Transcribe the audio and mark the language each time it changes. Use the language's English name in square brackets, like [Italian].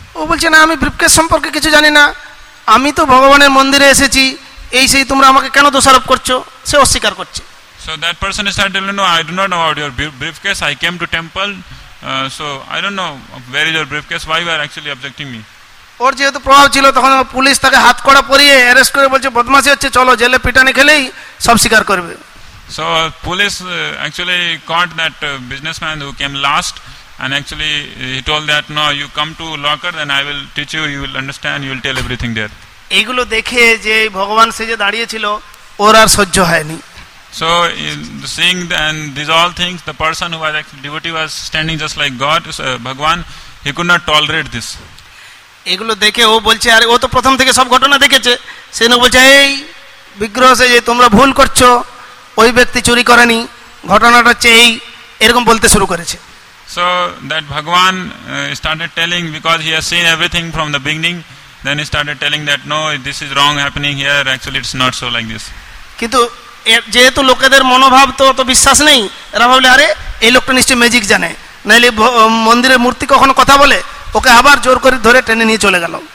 [Bangla] ও বলছে না আমি ব্রিফকেস সম্পর্কে কিছু জানি না, আমি তো ভগবানের মন্দিরে এসেছি, এই সেই তোমরা আমাকে কেন দোষারোপ করছো, সে অস্বীকার করছে. [English] So that person started telling, no, I do not know about your briefcase, I came to temple, so I don't know where is your briefcase, why you are actually objecting me. [Bangla] ওর যেহেতু প্রভাব ছিল তখন police তাকে হাত কড়া পরিয়ে arrest করে বলছে বদমাশি হচ্ছে, চলো জেলে পিটানি খেলেই সব স্বীকার করবে. [English] So police actually caught that businessman who came last, and actually he told that, no, you come to locker, then I will teach you, you will understand, you will tell everything there. [Bangla] এইগুলো দেখে যে ভগবান সেজে দাঁড়িয়েছিল ওর আর সহ্য হয়নি. [English] So seeing and these all things, the person who was actually devotee was standing just like God, Bhagwan, he could not tolerate this. [Bangla] এগুলো দেখে ও বলছে আরে ও তো প্রথম থেকে সব ঘটনা দেখেছে, সে না বলছে এই বিগ্রহ যে তোমরা ভুল করছো, ওই ব্যক্তি চুরি করেনি, ঘটনাটা হচ্ছে এই, এরকম বলতে শুরু করেছে. [English] So that Bhagwan started telling, because he has seen everything from the beginning, then he started telling that no, this is wrong happening here, actually it's not so like this. [Bangla] কিন্তু যেহেতু লোকেদের মনোভাব তো অত বিশ্বাস নেই, এরা ভাবলে আরে এই লোকটা নিশ্চয়ই ম্যাজিক জানে, নাহলে মন্দিরের মূর্তি কখনো কথা বলে, ওকে আবার জোর করে ধরে টেনে নিয়ে চলে গেল.